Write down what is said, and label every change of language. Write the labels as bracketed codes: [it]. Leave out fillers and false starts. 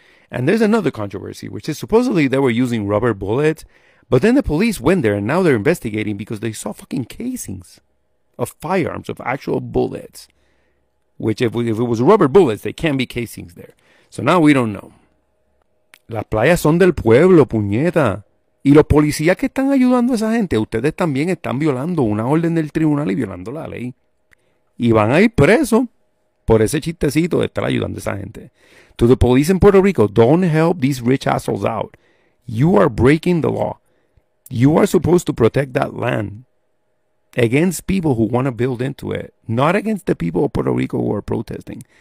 [en] And there's another controversy, which is supposedly they were using rubber bullets, but then the police went there and now they're investigating because they saw fucking casings of firearms, of actual bullets, which if it was rubber bullets, they can't be casings there. So now we don't know. [es] Las playas son del pueblo, puñeta. Y los policías que están ayudando a esa gente, ustedes también están violando una orden del tribunal y violando la ley. Y van a ir presos. Por ese chistecito de estar ayudando a esa gente. [en] To the police in Puerto Rico, don't help these rich assholes out. You are breaking the law. You are supposed to protect that land against people who want to build into it, not against the people of Puerto Rico who are protesting.